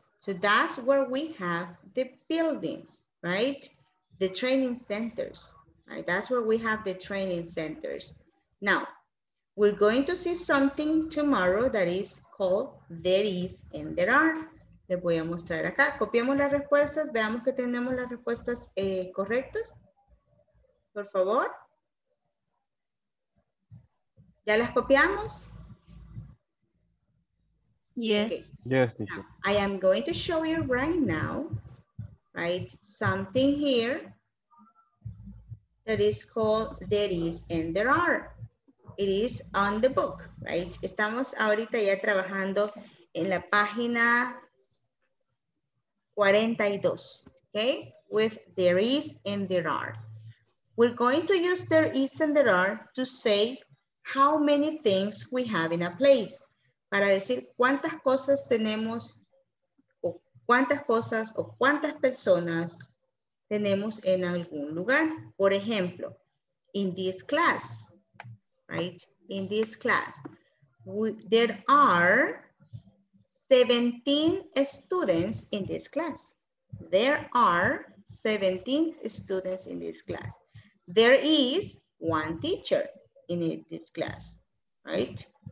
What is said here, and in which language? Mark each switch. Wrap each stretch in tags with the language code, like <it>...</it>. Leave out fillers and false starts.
<en>So that's where we have the building, right? The training centers, right? That's where we have the training centers. Now, we're going to see something tomorrow that is called there is and there are.</en> <es>Les voy a mostrar acá. Copiemos las respuestas, veamos que tenemos las respuestas correctas. Por favor. ¿Ya las copiamos?</es> <en>Yes. Okay. Yes, teacher. I am going to show you right now, right, something here that is called there is and there are. It is on the book, right?</en> <es>Estamos ahorita ya trabajando en la página 42, okay?</es> <en>With there is and there are. We're going to use there is and there are to say how many things we have in a place.</en> <es>Para decir cuántas cosas tenemos o cuántas cosas o cuántas personas tenemos en algún lugar. Por ejemplo,</es> <en>in this class, right? In this class, there are 17 students in this class. There are 17 students in this class. There is one teacher in this class, right?</en>